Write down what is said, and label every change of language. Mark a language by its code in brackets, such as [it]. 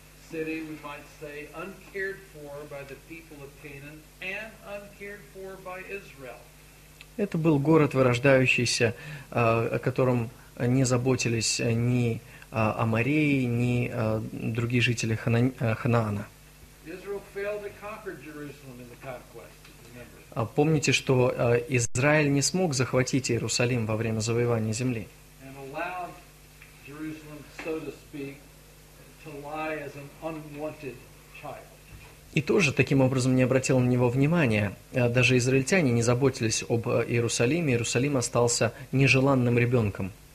[en] City, we might say, uncared for by the people of Canaan and uncared for by Israel. [ru] Это был город вырождающийся, о котором не заботились ни Амореи, ни другие жители Ханаана. [en] Israel failed to conquer Jerusalem in the conquest. [ru] Помните, что Израиль не смог захватить Иерусалим во время завоевания земли. [en] And allowed Jerusalem, so to speak, to lie as an unwanted child. [ru] И тоже таким образом не обратил на него внимания. Даже израильтяне не заботились об Иерусалиме. Иерусалим остался нежеланным ребенком.